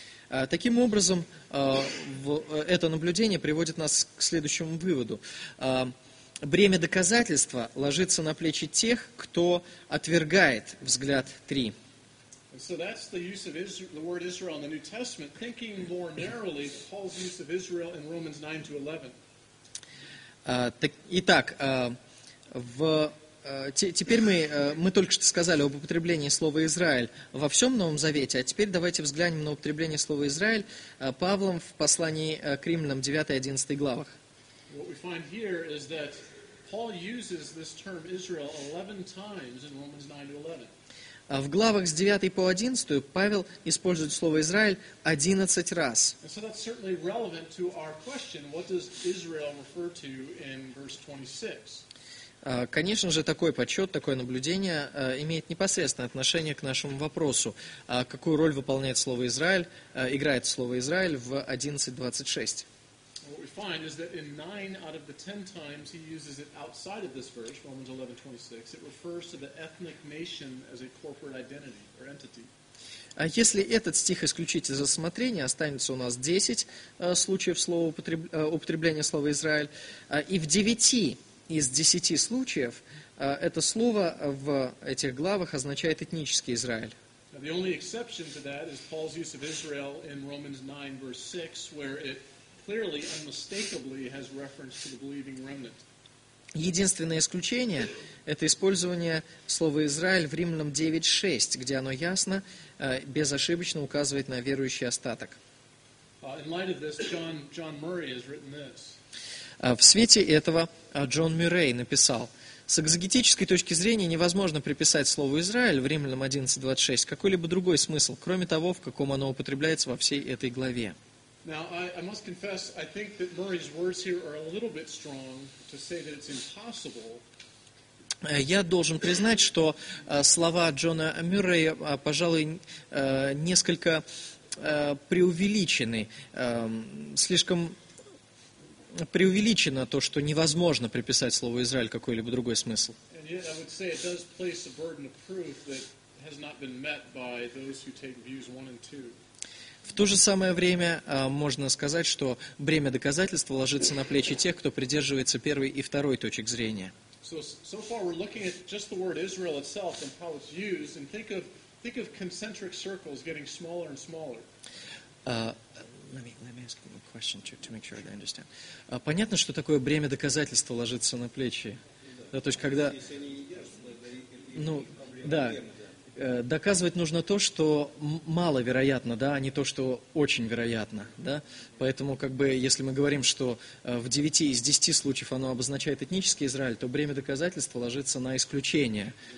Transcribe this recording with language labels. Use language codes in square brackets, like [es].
[ru] Таким образом, это наблюдение приводит нас к следующему выводу. Бремя доказательства ложится на плечи тех, кто отвергает взгляд 3. [en] So that's the use of the word Israel in the New Testament. Thinking more narrowly, Paul's use of Israel in Romans 9 to 11. [ru] Итак, в Теперь мы только что сказали об употреблении слова «Израиль» во всем Новом Завете, а теперь давайте взглянем на употребление слова «Израиль» Павлом в послании к Римлянам 9-11 главах. [en] What we find here is that Paul uses this term Israel 11 times in Romans 9-11. [ru] В главах с 9 по 11 Павел использует слово «Израиль» 11 раз. [en] So that's certainly relevant to our question, what does Israel refer to in verse 26? [ru] Конечно же, такой подсчет, такое наблюдение имеет непосредственное отношение к нашему вопросу. Какую роль выполняет слово «Израиль», играет слово «Израиль» в 11.26? [en] What we find is that in 9 out of the 10 times he uses it outside of this verse, Romans 11.26, it refers to the ethnic nation as a corporate identity or entity. [ru] Если этот стих исключить из рассмотрения, останется у нас 10 случаев употребления слова «Израиль». И в 9 из 10 случаев это слово в этих главах означает этнический Израиль. [en] Now, the only exception to that is Paul's use of Israel in Romans 9, verse 6, where it clearly, unmistakably has reference to the believing remnant. [ru] Единственное исключение – это использование слова «Израиль» в Римлянам 9.6, где оно ясно, безошибочно указывает на верующий остаток. [en] In light of this, John Murray has written this. [ru] В свете этого Джон Мюррей написал: «С экзегетической точки зрения невозможно приписать слову «Израиль» в Римлянам 11.26 какой-либо другой смысл, кроме того, в каком оно употребляется во всей этой главе». [en] Now, I must confess, I think that Murray's words here are a little bit strong to say that it's impossible. [ru] Я должен признать, что слова Джона Мюррея, пожалуй, несколько преувеличены. Слишком преувеличено то, что невозможно приписать слову «Израиль» какой-либо другой смысл. [en] And yet, I would say it does place a burden of proof that has not been met by those who take views 1 and 2. [ru] В то же самое время можно сказать, что бремя доказательства ложится на плечи тех, кто придерживается первой и второй точек зрения. [en] So far we're looking at just the word Israel itself and how it's used, and think of concentric circles getting smaller and smaller. Let me ask you a question to make sure I understand. [ru] Понятно, что такое бремя доказательства ложится на плечи. Да, то есть когда, ну, да. Доказывать нужно то, что маловероятно, да, а не то, что очень вероятно, да. Поэтому, как бы, если мы говорим, что в 9 из 10 случаев оно обозначает этнический Израиль, то бремя доказательства ложится на исключение.